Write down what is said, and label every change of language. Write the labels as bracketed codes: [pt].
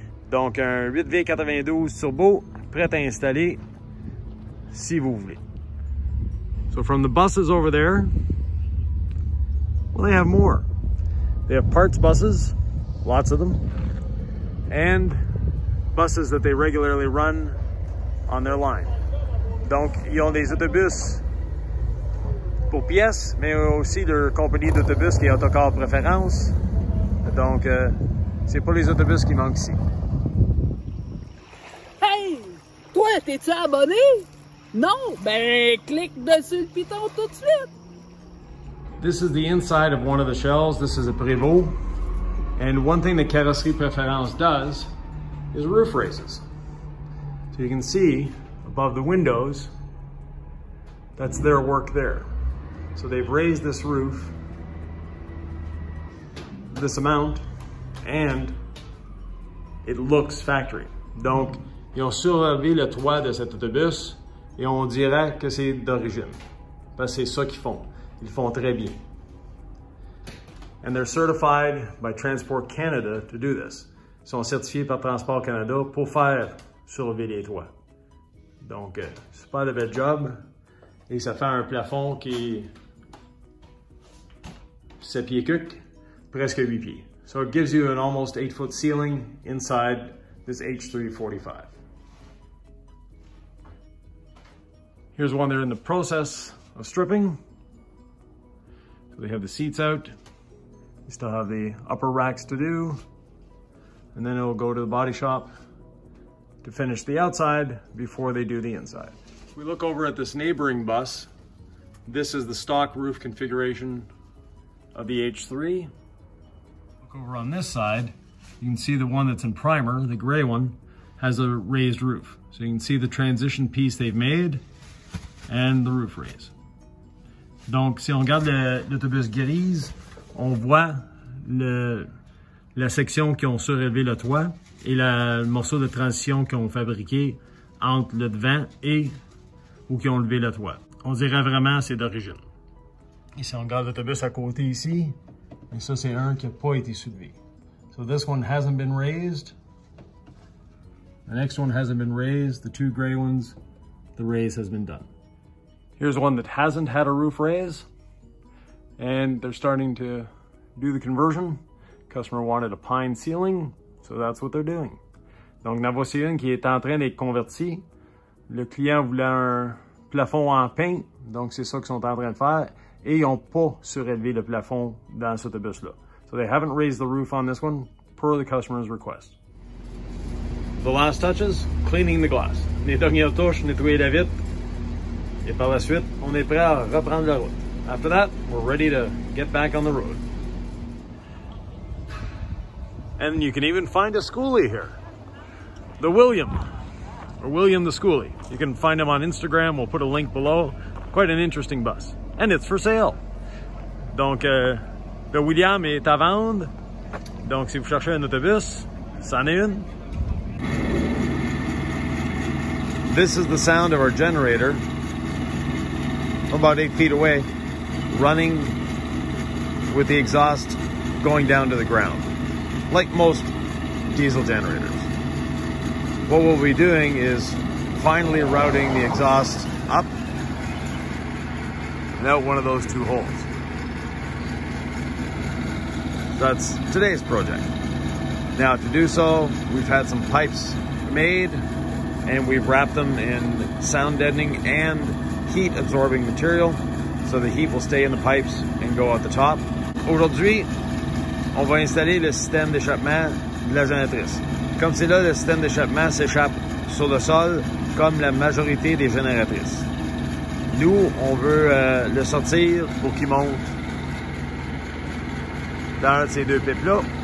[fr] Donc un 8V92 turbo, prêt à installer, si vous voulez. [en] So from the buses over there, well, they have more. They have parts buses, lots of them, and buses that they regularly run on their line. [fr] Donc, ils ont des autobus pour pièces, mais aussi leur compagnie d'autobus qui est Autocar Préférence. Donc, c'est pas les autobus qui manquent ici. Hey! Toi, t'es-tu abonné? Non? Ben, clique dessus le piton tout de suite! [en] This is the inside of one of the shells. This is a Prévost. And one thing that Carrosserie Préférence does is roof raises. So you can see above the windows, that's their work there. So they've raised this roof, this amount, and it looks factory. [fr] Donc, ils ont surélevé le toit de cet autobus et on dirait que c'est d'origine. Parce que c'est ça qu'ils font. Ils font très bien. [en] And they're certified by Transport Canada to do this. [fr] Ils sont certifiés par Transport Canada pour faire surélever les toits. Donc, c'est pas le bel job et ça fait un plafond qui est 7 pieds cuc, presque 8 pieds. [en] So it gives you an almost 8-foot ceiling inside this H345. Here's one they're in the process of stripping. So they have the seats out. They still have the upper racks to do. And then it'll go to the body shop to finish the outside before they do the inside. If we look over at this neighboring bus, this is the stock roof configuration of the H3. Look over on this side, you can see the one that's in primer, the gray one, has a raised roof. So you can see the transition piece they've made and the roof raise. [fr] Donc si on regarde l'autobus gris, on voit la section qui ont surélevé le toit. Et le morceau de transition qu'ils ont fabriqué entre le devant et où ils ont levé le toit. On dirait vraiment que c'est d'origine. Et si on regarde l'autobus à côté ici, et ça c'est un qui n'a pas été soulevé. [en] So this one hasn't been raised. The next one hasn't been raised. The two gray ones, the raise has been done. Here's one that hasn't had a roof raise. And they're starting to do the conversion. Customer wanted a pine ceiling. So that's what they're doing. [fr] Donc, là, voici une qui est en train d'être convertie. Le client voulait un plafond en pin. Donc, c'est ça qu'ils sont en train de faire. Et ils n'ont pas surélevé le plafond dans cet autobus-là. [en] So they haven't raised the roof on this one per the customer's request. The last touches, cleaning the glass. [fr] Les dernières touches, nettoyer la vitre. Et par la suite, on est prêt à reprendre la route. [en] After that, we're ready to get back on the road. And you can even find a schoolie here. The William, or William the Schoolie. You can find him on Instagram. We'll put a link below. quite an interesting bus. And it's for sale. [fr] Donc, le William est à vendre. Donc, si vous cherchez un autobus, c'en est une. [en] This is the sound of our generator, about 8 feet away, running with the exhaust going down to the ground, like most diesel generators. What we'll be doing is finally routing the exhaust up and out one of those two holes. That's today's project. Now, to do so, we've had some pipes made and we've wrapped them in sound deadening and heat absorbing material so the heat will stay in the pipes and go out the top. [fr] Aujourd'hui, on va installer le système d'échappement de la génératrice. Comme c'est là, le système d'échappement s'échappe sur le sol comme la majorité des génératrices. Nous, on veut le sortir pour qu'il monte dans ces deux pipes-là.